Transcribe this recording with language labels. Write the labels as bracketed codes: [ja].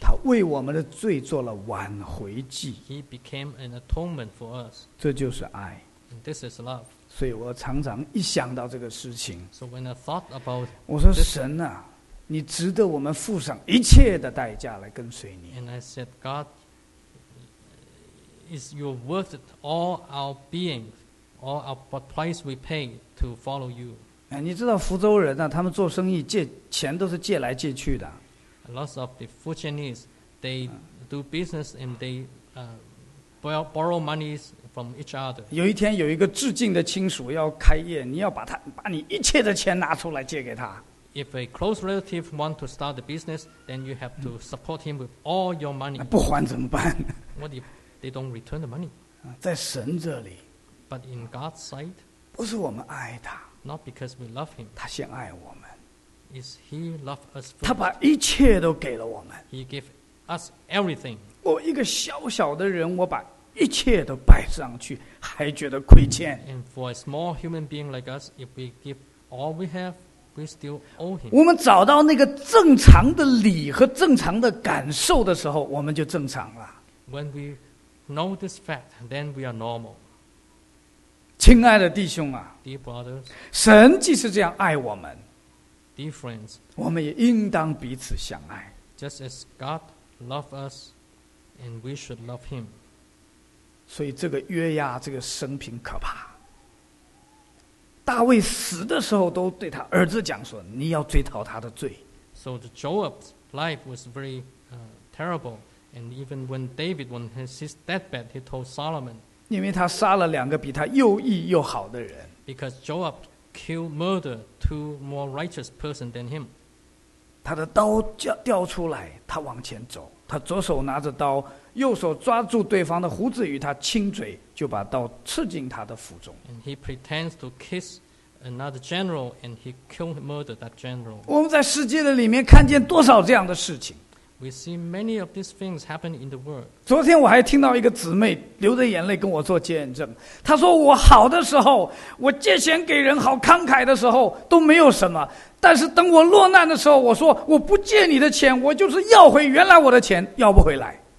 [zh] 他为我们的罪做了挽回祭。 [en] He became an atonement for us. [zh] 这就是爱。 [en] And this is love. [zh] 所以我常常一想到这个事情。 [en] So when I thought about this, [zh] 我说神啊，你值得我们付上一切的代价来跟随你。 [en] And I said, God. Is your worth it, all our being, all our what price we pay to follow you? [zh] 你知道福州人呢、啊？他们做生意借钱都是借来借去的。 [en] A lot of the Fujianese, they do business and they borrow monies from each other. [zh] 有一天，有一个致敬的亲属要开业，你要把你一切的钱拿出来借给他。 [en] If a close relative want to start the business, then you have to support him with all your money. [zh] 不还怎么办 [en] ？What if They don't return the money. [zh] 在神这里 [en] But in God's sight, [zh] 不是我们爱他 [en] Not because we love him. [zh] 他先爱我们 [en] Is he love us first? [zh] 他把一切都给了我们 [en] He gave us everything. [zh] 我一个小小的人我把一切都摆上去还觉得亏欠 [en] And for a small human being like us, if we give all we have, we still owe him. [zh] 我们找到那个正常的理和正常的感受的时候我们就正常了 [en] When we know this fact, then we are normal. [zh] 亲爱的弟兄啊 [en] Dear brothers, [zh] 神既是这样爱我们 [en] Dear friends, [zh] 我们也应当彼此相爱 [en] Just as God loves us, and we should love him. [zh] 所以这个约押这个生平可怕。大卫死的时候都对他儿子讲说你要追讨他的罪。 [en] So the Joab's life was very terrible. And even when David, on his deathbed, he told Solomon, [zh] 因为他杀了两个比他又义又好的人 [en] because Joab killed, murdered two more righteous persons than him. [zh] 他的刀掉出来，他往前走，他左手拿着刀，右手抓住对方的胡子与他亲嘴，就把刀刺进他的腹中。 [en] And he pretends to kiss. Another general, and he killed, murdered that general. [zh] 我们在世界的里面看见多少这样的事情。 [en] We see many of these things happen in the world. [zh] 昨天我还听到一个姊妹流着眼泪跟我做见证，她说我好的时候，我借钱给人好慷慨的时候都没有什么，但是等我落难的时候，我说我不借你的钱，我就是要回原来我的钱，要不回来。